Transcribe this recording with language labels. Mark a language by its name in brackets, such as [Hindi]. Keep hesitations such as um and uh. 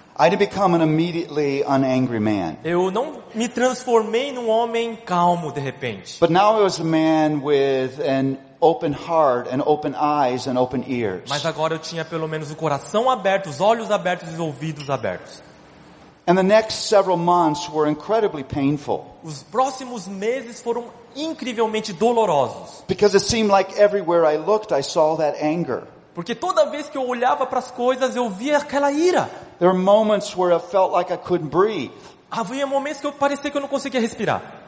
[English] I had become an immediately unangry man. [Portuguese] Eu não me transformei num homem calmo de repente. [English] But now I was a man with an open heart and open eyes and open ears. [Portuguese] Mas agora eu tinha pelo menos o coração aberto, os olhos abertos e os ouvidos abertos. [English] And the next several months were incredibly painful. [Portuguese] Os próximos meses foram incrivelmente dolorosos. [English] Because it seemed like everywhere I looked I saw that anger. [Portuguese] Porque toda vez que eu olhava para as coisas, eu via aquela ira. [English] There were moments where I felt like I couldn't breathe. [Portuguese] Havia momentos que eu parecia que eu não conseguia respirar.